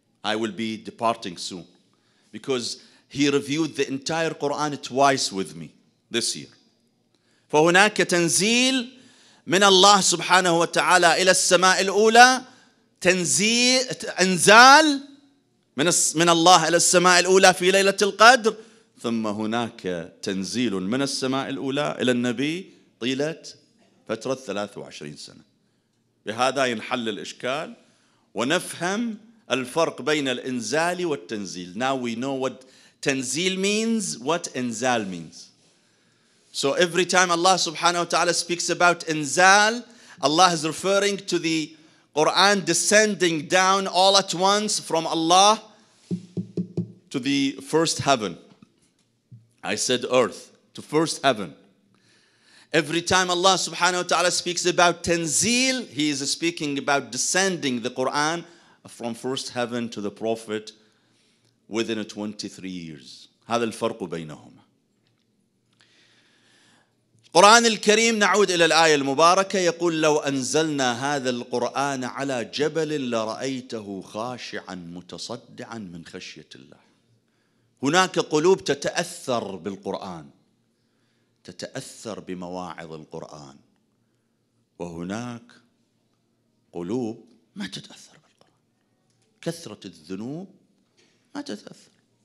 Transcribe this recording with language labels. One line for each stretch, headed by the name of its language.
English: I will be departing soon. Because he reviewed the entire Quran twice with me this year.
Arabic: فهناك تنزيل من الله سبحانه وتعالى إلى السماء الأولى تنزيل انزال من الله إلى السماء الأولى في ليلة القدر ثم هناك تنزيل من السماء الأولى إلى النبي طيلة فترة 23 سنة بهذا ينحل الإشكال ونفهم الفرق بين الإنزال والتنزيل.
English: Now we know what تنزيل means, what انزال means. So every time Allah subhanahu wa ta'ala speaks about inzal, Allah is referring to the Quran descending down all at once from Allah to the first heaven. I said earth, to first heaven. Every time Allah subhanahu wa ta'ala speaks about tanzil, He is speaking about descending the Quran from first heaven to the Prophet within 23 years.
Arabic: هذا الفرق بينهم. القرآن الكريم نعود إلى الآية المباركة يقول لو أنزلنا هذا القرآن على جبل لرأيته خاشعا متصدعا من خشية الله. هناك قلوب تتأثر بالقرآن تتأثر بمواعظ القرآن وهناك قلوب ما تتأثر بالقرآن كثرة الذنوب ما تتأثر